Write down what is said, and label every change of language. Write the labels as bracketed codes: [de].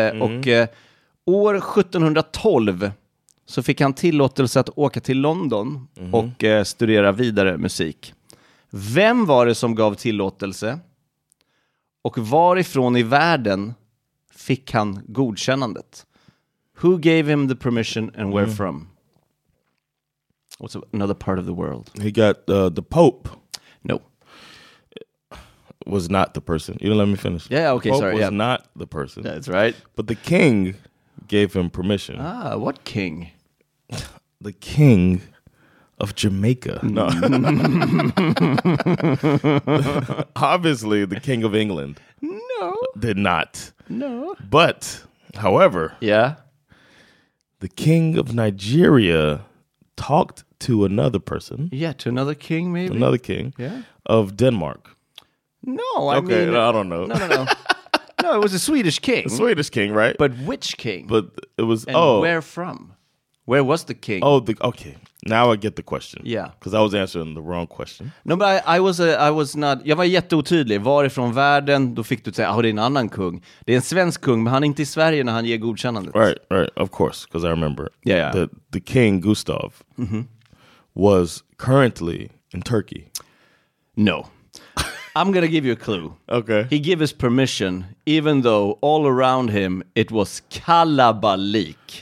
[sv] Och år 1712 så fick han tillåtelse att åka till London och studera vidare musik. Vem var det som gav tillåtelse? Och varifrån i världen fick han godkännandet? [en] Who gave him the permission and where from? What's another part of the world? He got the Pope. No. It was not the person. You didn't let me finish. Yeah, okay, sorry. The Pope sorry, was yeah. not the person. That's right. But the king gave him permission. Ah, what king? The king of Jamaica. No. Obviously, the King of England. No. Did not. No. But, however. Yeah. The King of Nigeria talked to another person. Yeah, to another king, maybe? Another king. Yeah. Of Denmark. No, okay, I mean. Okay, I don't know. No. No, it was a Swedish king. A Swedish king, right? But which king? But it was, and where from? Where was the king? Oh, okay. Now I get the question. Yeah. Because I was answering the wrong question. No, but I was not... [sv] Jag var jätteotydlig. Varifrån världen, då fick du säga, det är en annan kung. Det är en svensk kung, men han är inte i Sverige när han ger godkännandet. [en] Right, of course, because I remember. Yeah. The king, Gustav, was currently in Turkey. No. I'm going to give you a clue. Okay. He gave his permission, even though all around him, it was kalabalik.